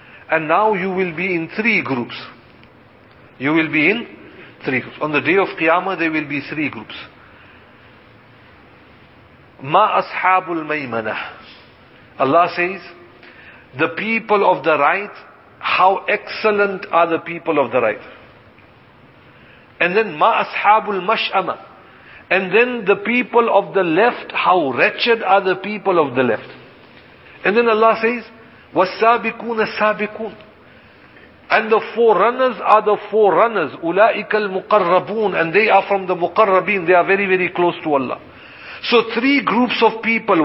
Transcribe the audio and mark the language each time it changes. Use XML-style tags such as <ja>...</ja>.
<en>And now you will be in three groups. You will be in three groups. On the day of Qiyamah, there will be three groups.</en> <ar>مَا أَصْحَابُ الْمَيْمَنَةِ.</ar> <en>Allah says, the people of the right, how excellent are the people of the right. And then,</en> <ar>مَا أَصْحَابُ الْمَشْأَمَةِ.</ar> <en>And then the people of the left, how wretched are the people of the left. And then Allah says,</en> <ar>وَالسَّابِقُونَ السَّابِقُونَ.</ar> <en>And the forerunners are the forerunners.</en> <ar>أُولَٰئِكَ الْمُقَرَّبُونَ.</ar> <en>And they are from the مُقَرَّبِينَ. They are very, very close to Allah. So three groups of people.</en>